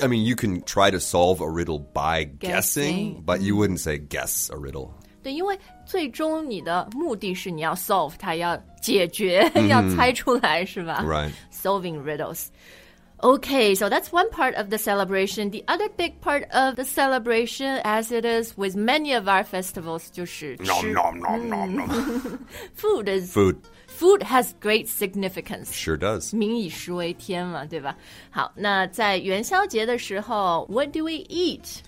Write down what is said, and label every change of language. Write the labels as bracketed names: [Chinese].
[English] I mean, you can try to solve a riddle by guessing, but you wouldn't say guess a riddle. [Chinese] 对，因为最终你的目的是你要 solve 它，要解决，要猜出来，是吧？ [English] Right. Solving riddles. Okay, so that's one part of the celebration. The other big part of the celebration, as it is with many of our festivals, [Chinese] 就是吃。 Nom, nom, nom, nom, nom. [English] Food is... Food. Food has great significance. Sure does. [Chinese] 民以食为天嘛，对吧？好，那在元宵节的时候 ， [English] What do we eat?